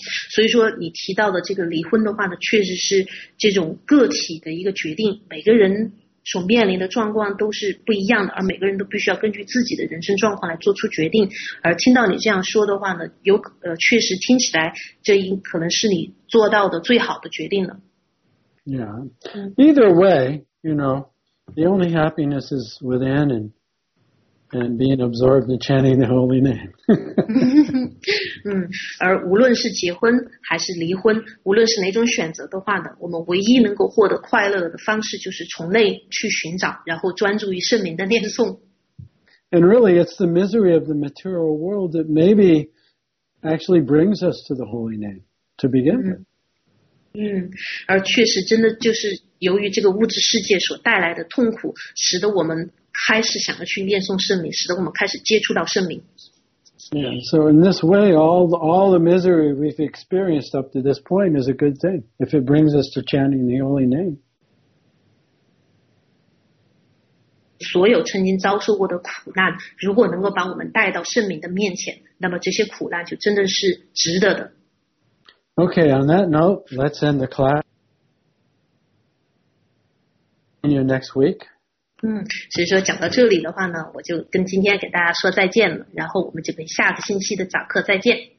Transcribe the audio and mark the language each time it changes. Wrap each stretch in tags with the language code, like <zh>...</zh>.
<zh>所以说你提到的这个离婚的话呢，确实是这种个体的一个决定，每个人所面临的状况都是不一样的，而每个人都必须要根据自己的人生状况来做出决定。而听到你这样说的话呢，有确实听起来这应可能是你做到的最好的决定了。</zh> <en>Yeah. Either way, you know, the only happiness is within and being absorbed in chanting the holy name.</en> <zh>而无论是结婚还是离婚，无论是哪种选择的话呢，我们唯一能够获得快乐的方式就是从内去寻找，然后专注于圣名的念诵。</zh> <en>And really, it's the misery of the material world that maybe actually brings us to the holy name to begin with.</en> <zh>而确实真的就是由于这个物质世界所带来的痛苦，使得我们开始想要去念诵圣名，使得我们开始接触到圣名。</zh> <en>Yeah, so in this way, all the misery we've experienced up to this point is a good thing if it brings us to chanting the holy name.</en> <zh>所有曾经遭受过的苦难，如果能够把我们带到圣名的面前，那么这些苦难就真的是值得的。</zh> <en>Okay, on that note, let's end the class. See you next week.</en> <zh>所以说讲到这里的话呢，我就跟今天给大家说再见了，然后我们就跟下个星期的早课再见。</zh>